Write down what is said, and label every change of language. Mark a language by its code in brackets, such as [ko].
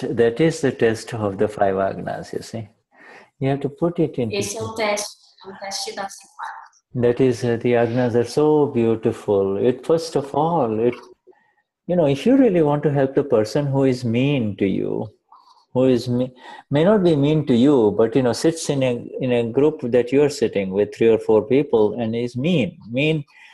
[en] That is the test of the 5 agnas, you see. You have to put it in. [pt] Esse é o teste. É o teste da 5 agnas. [en] That is, the agnas are so beautiful. First of all, you know, if you really want to help the person who is mean to you, may not be mean to you, but, you know, sits in a group that you're sitting with, 3 or 4 people, and is mean. Mean,